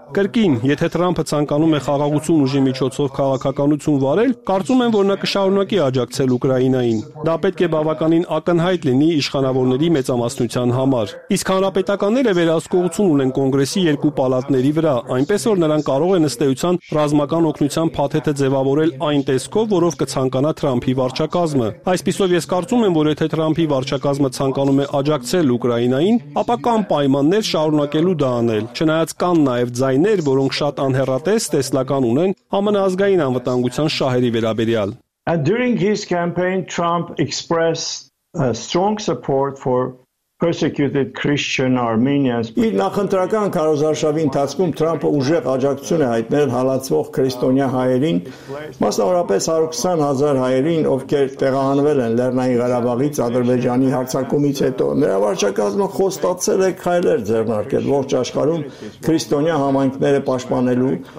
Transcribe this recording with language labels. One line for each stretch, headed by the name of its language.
Armenian: Կրկին, եթե Թրամփը ցանկանում է խաղաղություն ուժի միջոցով քաղաքականություն վարել, կարծում եմ, որ նա կշարունակի աջակցել Ուկրաինային։ Դա պետք է բավականին ակնհայտ լինի իշխանավորների մեծամասնության համար։ Իսկ հանրապետականները վերահսկողություն ունեն կոնգրեսի երկու պալատների վրա, այնպես որ նրանք կարող են ըստ էության ռազմական օգնության փաթեթը ձևավորել այն տեսքով, որով կցանկանա Թրամփի վարչակազմը։ Այսպիսով ես կարծում եմ, որ եթե Թրամփի վարչակազմը ցանկանում է աջակցել Ուկրաինային, ապա կան պայմաններ շարունակելու դա անել, չնայած կան նաև ձայներ, որոնք շատ անհեռատես տեսլական ունեն ԱՄՆ ազգային անվտանգության շահերի վերաբերյալ։
English: And during his campaign, Trump expressed a strong support for persecuted Christian Armenians.
Armenian: Իր նախընտրական քարոզարշավի ընթացքում Թրամփը ուժեղ աջակցություն է հայտնել հալածվող քրիստոնյա հայերին, մասնավորապես 120 000 հայերին, ովքեր տեղահանվել են Լեռնային Ղարաբաղից Ադրբեջանի հարձակումից հետո։ Նրա վարչակազմը խոստացել է քայլեր ձեռնարկել ողջ աշխարհում քրիստոնյա համայնքները պաշտպանելու